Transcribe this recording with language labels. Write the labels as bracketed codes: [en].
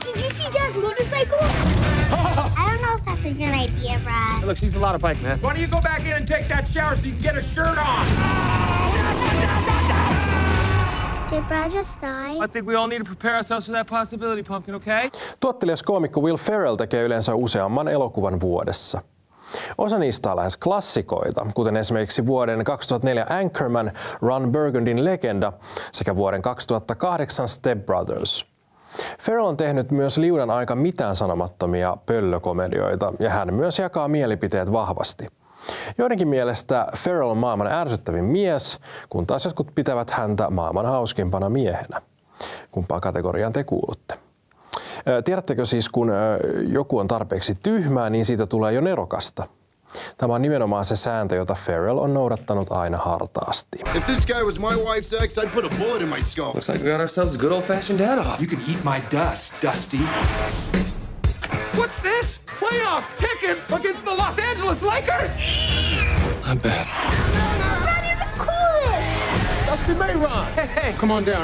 [en] Did you see Dad's motorcycle? I don't know if that's a good idea, Brad. Hey, look, she's a lot of bike, man. Why don't you go back in and take that shower so you can get a shirt on? Did Brad just die? I think we all need to prepare ourselves for that possibility, Pumpkin, okay? [fi] Tuottelias koomikko Will Ferrell tekee yleensä useamman elokuvan vuodessa. Osa niistä on lähes klassikoita, kuten esimerkiksi vuoden 2004 Anchorman, Ron Burgundin legenda sekä vuoden 2008 Step Brothers. Ferrell on tehnyt myös liudan aika mitään sanomattomia pöllökomedioita ja hän myös jakaa mielipiteet vahvasti. Joidenkin mielestä Farrell on maailman ärsyttävin mies, kun taas jotkut pitävät häntä maailman hauskimpana miehenä. Kumpaan kategoriaan te kuulutte? Tiedättekö siis, kun joku on tarpeeksi tyhmää, niin siitä tulee jo nerokasta? Tämä on nimenomaan se sääntö, jota Farrell on noudattanut aina hartaasti. [en] If this guy was my wife's ex, I'd put a bullet in my skull. Looks like we got ourselves a good old-fashioned dad-off. You can eat my dust, Dusty. What's this? Playoff tickets against the Los Angeles Lakers? Not bad. Johnny's the coolest! Dusty Mayron! Hey, come on down.